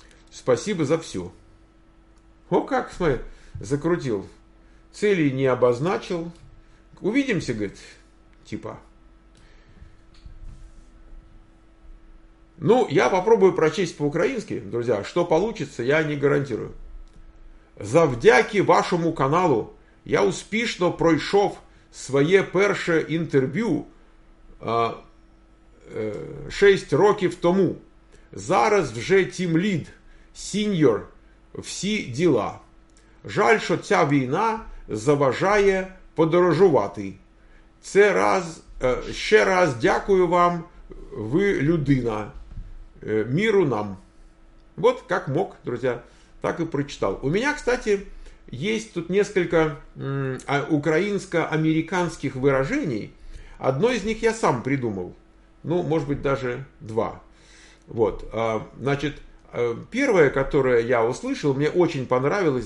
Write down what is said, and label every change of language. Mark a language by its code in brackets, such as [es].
[ru] Спасибо за все. О, как, смотри, закрутил. Цели не обозначил. Увидимся, говорит, типа. Ну, я попробую прочесть по-украински, друзья. Что получится, я не гарантирую. [uk] Завдяки вашему каналу я успішно пройшов своє перше інтерв'ю 6 років тому. Зараз вже тімлід, сіньор, всі діла. Жаль, що ця війна заважає подорожувати. Це раз, ще раз дякую вам, ви людина. Міру нам. [ru] Вот как мог, друзья, так и прочитал. У меня, кстати, есть тут несколько украинско-американских выражений. Одно из них я сам придумал. Ну, может быть, даже два. Вот. Значит, первое, которое я услышал, мне очень понравилось.